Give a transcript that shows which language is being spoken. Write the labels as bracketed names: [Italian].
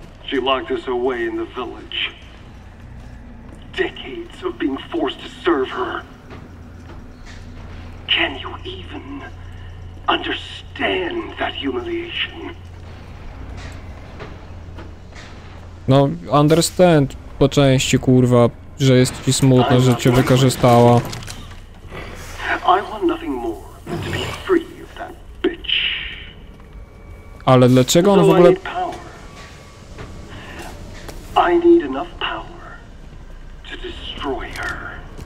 [English] She locked us away in the village. Decades of being forced to serve her. Can you even understand that humiliation? [Polish] No, understand po części, kurwa, że jest ci smutno, że cię wykorzystała. [English] I want nothing more than to be free of that bitch. [Polish] Ale dlaczego on w ogóle... [English] I need enough power to destroy her.